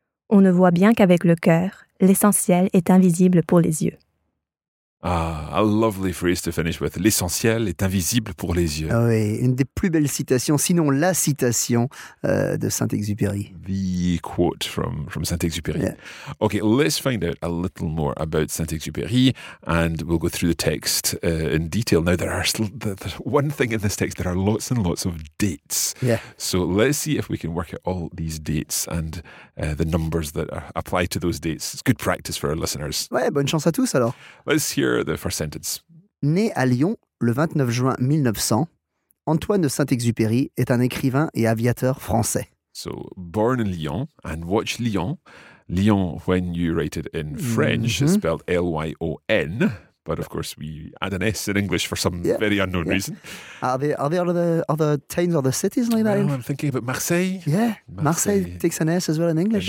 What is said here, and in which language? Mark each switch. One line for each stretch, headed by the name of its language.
French: On ne voit bien qu'avec le cœur, l'essentiel est invisible pour les yeux.
English: Ah, a lovely phrase to finish with.
French: L'essentiel est invisible pour les yeux. Oui, une des plus belles citations, sinon la citation de Saint-Exupéry.
English: The quote from Saint-Exupéry. Yeah. Okay, let's find out a little more about Saint-Exupéry and we'll go through the text in detail. Now, there are one thing in this text, there are lots and lots of dates. Yeah. So let's see if we can work out all these dates and the numbers that apply to those dates. It's good practice for our listeners.
French: Ouais, bonne chance à tous alors.
English: Let's hear the first sentence.
French: Né à Lyon le 29 juin 1900, Antoine de Saint-Exupéry est un écrivain et aviateur français.
English: So, born in Lyon, and watch Lyon. Lyon, when you write it in French, is spelled L-Y-O-N, but of course we add an S in English for some very unknown reason. Are there other towns or the cities like that? No, I'm thinking about Marseille. Yeah, Marseille takes an S as well in English.